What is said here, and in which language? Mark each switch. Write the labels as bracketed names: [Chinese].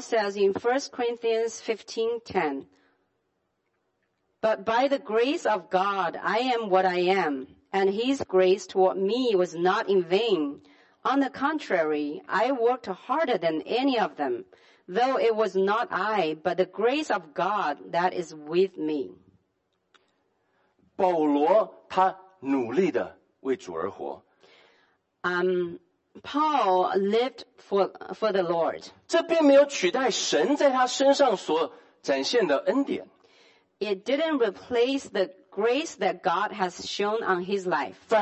[English] says in 1 Corinthians 15:10, But by the grace of God, I am what I am. And his grace toward me was not in vain. On the contrary, I worked harder than any of them, though it was not I, but the grace of God that is with me. [Chinese] 保罗他努力地为主而活。 [English] Paul lived for the Lord. [Chinese] 这并没有取代神在他身上所展现的恩典。 [English] It didn't replace the grace that God has shown on his life.